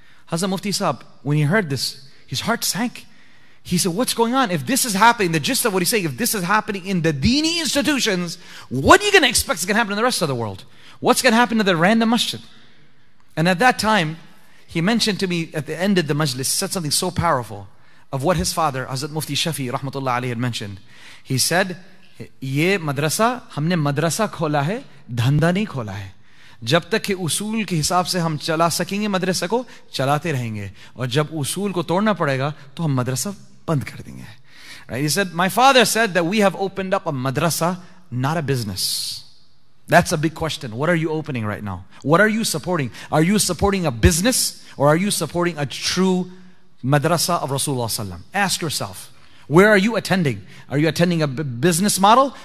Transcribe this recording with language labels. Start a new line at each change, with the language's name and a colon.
English: Hazrat Mufti Saab, when he heard this, his heart sank. He said, what's going on? If this is happening, the gist of what he's saying, if this is happening in the deeni institutions, what are you going to expect is going to happen in the rest of the world? What's going to happen to the random masjid? And at that time, he mentioned to me at the end of the majlis, said something so powerful of what his father, Hazrat Mufti Shafi, rahmatullah alayhi, had mentioned. He said,
Urdu: "یہ مدرسہ، ہم نے مدرسہ کھولا ہے، دھندا نہیں کھولا ہے. جب تک کہ اصول کے حساب سے ہم چلا سکیں گے مدرسہ کو چلاتے رہیں گے اور جب اصول کو توڑنا پڑے گا تو ہم مدرسہ بند کر دیں گے.
English: Right? He said, my father said that we have opened up a madrasa, not a business. That's a big question. What are you opening right now? What are you supporting? Are you supporting a business or are you supporting a true madrasa of Rasulullah sallam? Ask yourself, where are you attending? Are you attending a business model?